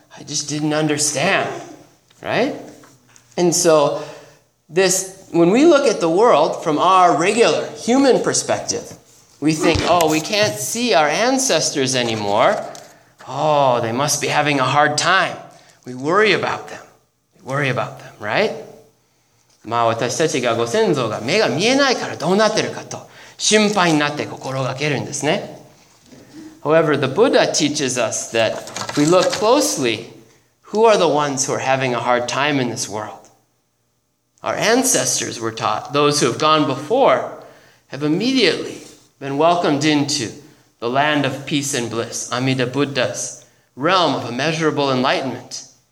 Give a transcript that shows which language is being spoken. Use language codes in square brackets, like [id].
[en] I just didn't understand, right? And so this, when we look at the world from our regular human perspective, we think, oh, we can't see our ancestors anymore. Oh, they must be having a hard time. We worry about them. We worry about them, right? [ja] まあ私たちがご先祖が目が見えないからどうなってるかと心配になって心がけるんですね。 [en] However, the Buddha teaches us that if we look closely, who are the ones who are having a hard time in this world? Our ancestors were taught, those who have gone before, have immediately been welcomed into the land of peace and bliss, Amida Buddha's realm of immeasurable enlightenment.